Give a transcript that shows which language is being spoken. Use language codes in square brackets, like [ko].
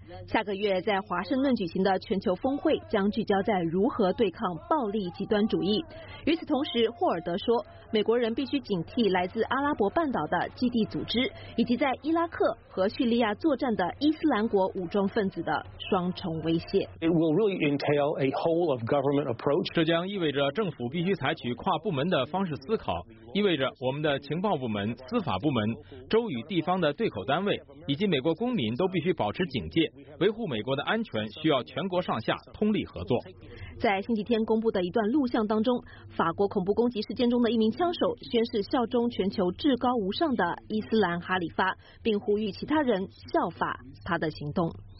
[zh] 下个月在华盛顿举行的全球峰会将聚焦在如何对抗暴力极端主义。与此同时，霍尔德说，美国人必须警惕来自阿拉伯半岛的基地组织以及在伊拉克和叙利亚作战的伊斯兰国武装分子的双重威胁。 [en] It will really entail a whole of government approach. [zh] 这将意味着政府必须采取跨部门的方式思考，意味着我们的情报部门、司法部门、州与地方的对口单位以及美国公民都必须保持警戒，维护美国的安全需要全国上下通力合作。在星期天公布的一段录像当中，法国恐怖攻击事件中的一名枪手宣誓效忠全球至高无上的伊斯兰哈里发，并呼吁其他人效法他的行动。